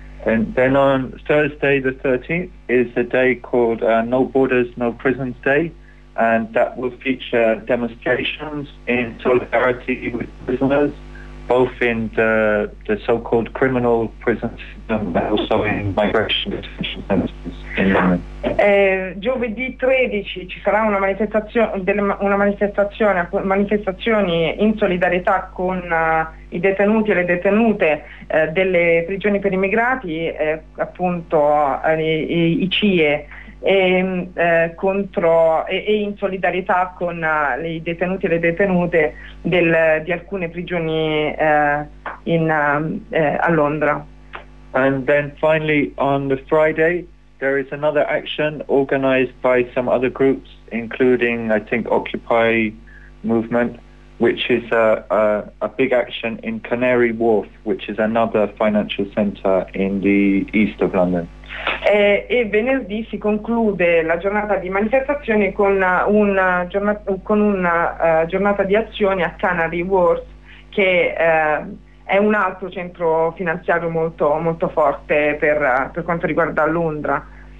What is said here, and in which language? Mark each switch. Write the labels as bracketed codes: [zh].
[en] And then on Thursday the 13th is a day called No Borders, No Prisons Day, and that will feature demonstrations in solidarity with prisoners, both in the so-called criminal prison system and also in migration detention centers in London. [it] Giovedì 13 ci sarà manifestazioni in solidarietà con i detenuti e le detenute delle prigioni per immigrati, appunto i CIE, e in solidarietà con i detenuti e le detenute di alcune prigioni a Londra. [en] And then finally on the Friday there is another action organized by some other groups, including I think Occupy Movement, which is a big action in Canary Wharf, which is another financial center in the east of London. [it] E venerdì si conclude la giornata di manifestazioni con una giornata di azioni a Canary Wharf, che è un altro centro finanziario molto molto forte per quanto riguarda Londra.